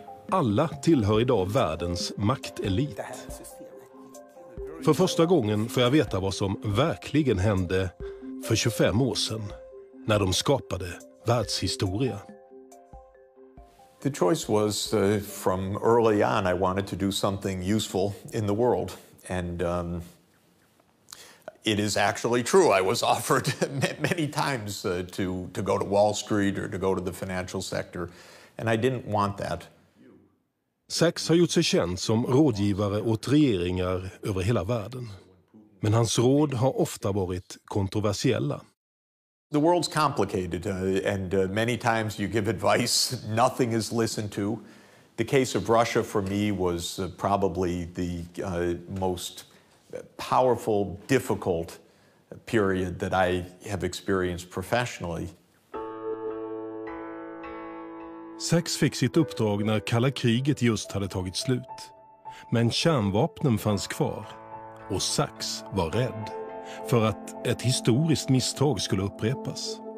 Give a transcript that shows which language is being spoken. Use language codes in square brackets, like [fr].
[sv] Alla tillhör idag världens maktelit. För första gången får jag veta vad som verkligen hände för 25 år sedan när de skapade världshistoria. [en] The choice was from early on I wanted to do something useful in the world, and it is actually true. I was offered many times to go to Wall Street or to go to the financial sector, and I didn't want that. [sv] Sachs har gjort sig känd som rådgivare åt regeringar över hela världen, men hans råd har ofta varit kontroversiella. [en] The world's complicated, and many times you give advice, nothing is listened to. The case of Russia for me was probably the most powerful, difficult period that I have experienced professionally. [sv] Sachs fick sitt uppdrag när kalla kriget just hade tagit slut. Men kärnvapnen fanns kvar, och Sachs var rädd för att ett historiskt misstag skulle upprepas.